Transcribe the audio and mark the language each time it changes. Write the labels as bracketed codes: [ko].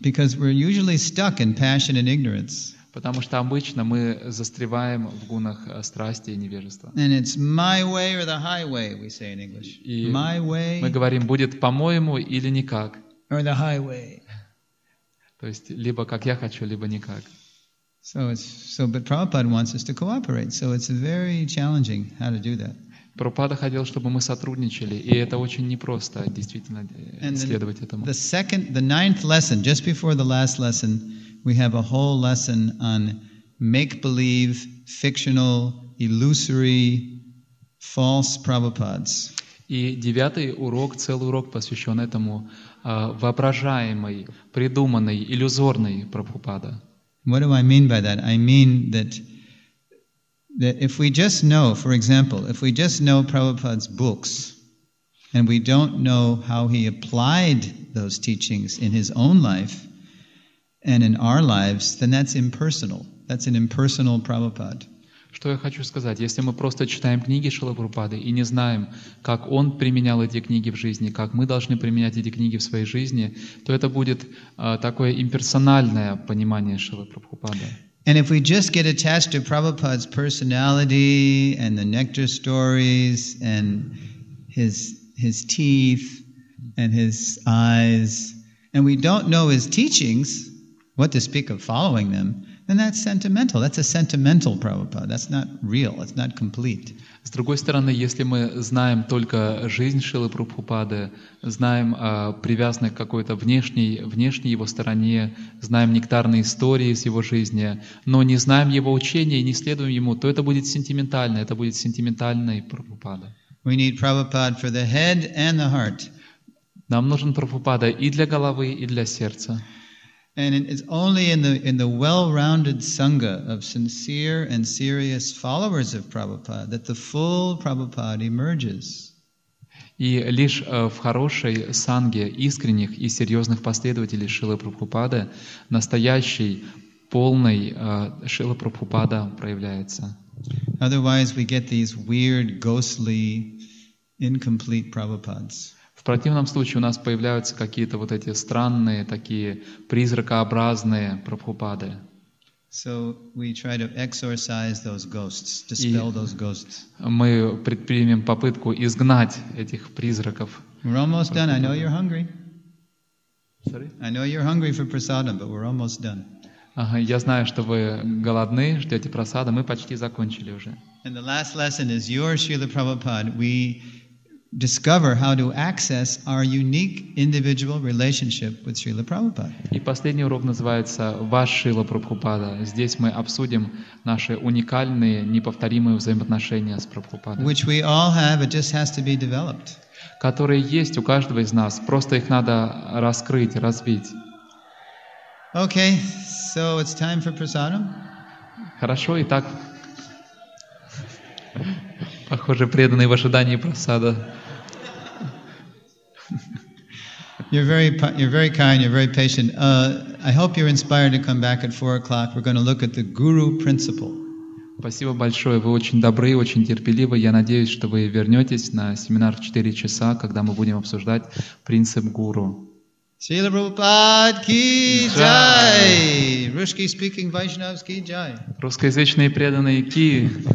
[en] Because we're usually stuck in passion and ignorance. [ru] Потому что обычно мы застреваем в гунах страсти и невежества. [en] And it's my way or the highway, we say in English. My way. [ru] Мы говорим, будет по-моему или никак. [en] Or the highway. [ru] То есть либо как я хочу, либо никак. [en] But Prabhupada wants us to cooperate. So it's very challenging how to do that. [ru] Прабхупада хотел, чтобы мы сотрудничали, и это очень непросто, действительно, следовать этому. [en] The second, the ninth lesson, just before the last lesson, we have a whole lesson on make-believe, fictional, illusory, false Prabhupadas. [ru] И девятый урок, целый урок посвящен этому воображаемый, придуманный, иллюзорный Прабхупада. [en] What do I mean by that? I mean that if we just know, for example, if we just know Prabhupada's books and we don't know how he applied those teachings in his own life and in our lives, then that's impersonal. That's an impersonal Prabhupada. [ru] Что я хочу сказать? Если мы просто читаем книги Шрилы Прабхупады и не знаем, как он применял эти книги в жизни, как мы должны применять эти книги в своей жизни, то это будет такое имперсональное понимание Шрилы Прабхупады. [en] And if we just get attached to Prabhupada's personality and the nectar stories and his teeth and his eyes, and we don't know his teachings, what to speak of following them, then that's sentimental. That's a sentimental Prabhupada. That's not real. It's not complete. [ru] С другой стороны, если мы знаем только жизнь Шрилы Прабхупады, знаем привязаны к какой-то внешней его стороне, знаем нектарные истории из его жизни, но не знаем его учения и не следуем ему, то это будет сентиментально, это будет сентиментальный Прабхупада. [en] We need Prabhupada for the head and the heart. [ru] Нам нужен Прабхупада и для головы, и для сердца. [en] And it's only in the well-rounded sangha of sincere and serious followers of Prabhupada that the full Prabhupada emerges. [ru] И лишь в хорошей санге искренних и серьезных последователей Шрилы Прабхупады настоящий полный Шрила Прабхупада проявляется. [en] Otherwise, we get these weird, ghostly, incomplete Prabhupadas. [ru] В противном случае у нас появляются какие-то вот эти странные, такие призракообразные Прабхупады. [en] So we try to exorcise those ghosts, dispel those ghosts. [ru] Мы предпримем попытку изгнать этих призраков. [en] We're almost done. I know you're hungry. Sorry? I know you're hungry for prasadam, but we're almost done. [ru] Ага, я знаю, что вы голодны, ждете просада, мы почти закончили уже. [en] And the last lesson is your Srila Prabhupada. We discover how to access our unique individual relationship with Srila Prabhupada. [ru] И последний урок называется «Ваш Шрила Прабхупада». Здесь мы обсудим наши уникальные, неповторимые взаимоотношения с Прабхупадой. [en] Which we all have, it just has to be developed. [ru] Которые есть у каждого из нас, просто их надо раскрыть, развить. [en] Okay, so it's time for prasadam. [ru] Хорошо, итак. Похоже, преданные в ожидании просада. [en] You're very kind, you're very patient. I hope you're inspired to come back at 4 o'clock. We're going to look at the Guru principle. [ru] Спасибо большое. Вы очень добры, очень терпеливы. Я надеюсь, что вы вернетесь на семинар в 4 часа, когда мы будем обсуждать принцип Гуру. [en] Srila Prabhupada ki jai. Russian speaking Vaishnavas ki jai. [ru] Русскоязычные преданные ки.